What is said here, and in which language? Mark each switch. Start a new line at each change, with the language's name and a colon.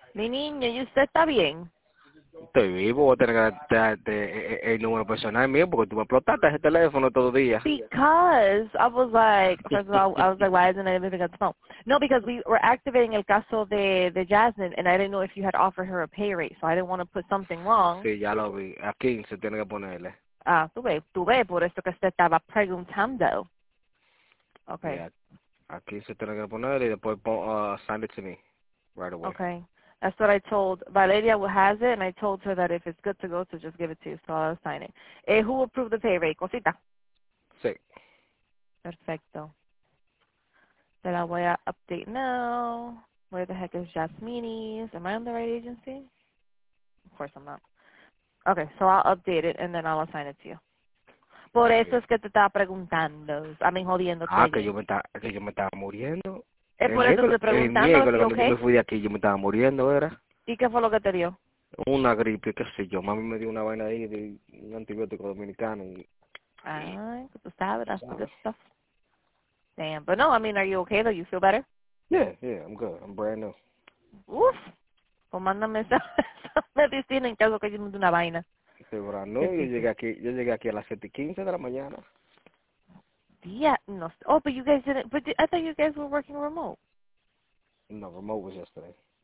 Spanish: Mi niño, ¿y usted está bien? estoy vivo, voy a tener que darte el número personal mío porque tú me explotaste ese teléfono todo el día.
English: Because I was like, first of all, I was like, why isn't anybody picking up the phone? No, because we were activating
Spanish: el caso de Jasmine,
English: and I didn't know if you had offered her a pay rate, so I didn't want to put something wrong.
Spanish: Sí, ya lo vi. A 15 tiene que ponerle. Ah, tuve, por eso que usted estaba preguntando.
English: Okay. Yeah,
Spanish: a 15 tiene que ponerle y después
English: send it to me right away. Okay. That's what I told Valeria, who has it, and I told her that if it's good to go, to just give it to you. So I'll sign it. Who approved the pay rate?
Spanish: Cosita. Sí.
English: Perfecto. Then I will update now. Where the heck is Jasmini's? Am I on the right agency? Of course I'm not. Okay, so I'll update it, and then I'll assign it to you.
Spanish: Por eso es que te estaba preguntando.
English: I mean, jodiendo.
Spanish: Ah, que yo me estaba muriendo. Es por eso te preguntando, miedo, ¿sí, okay? Yo me fui de aquí, yo me estaba muriendo, ¿verdad? ¿Y qué fue lo que te dio? Una gripe, qué sé yo. Mami me dio una vaina ahí de un antibiótico dominicano. Y, ay, que tú sabes,
English: that's the good stuff. Damn, but no, I mean, are you okay, though? You feel better? Yeah, I'm good. I'm brand new.
Spanish: Uf, pues mándame esa medicina en caso que yo me dé una vaina. Sí,
English: brand new,
Spanish: yo llegué aquí a las 7:15 de la mañana.
English: Yeah, no. Oh, but you guys didn't. But I thought you guys were working remote. No, remote was yesterday.